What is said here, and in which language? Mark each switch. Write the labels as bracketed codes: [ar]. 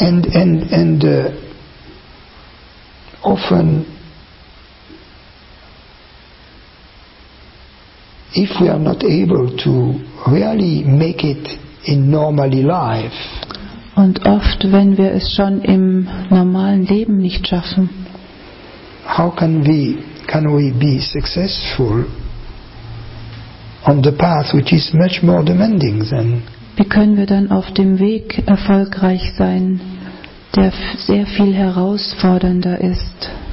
[en] And often, if we are not able to really make it in normally life, [de] und oft wenn wir es schon im normalen Leben nicht schaffen, [en] how can we be successful on the path which is much more demanding than [de] Wie können wir dann auf dem Weg erfolgreich sein, der sehr viel herausfordernder ist?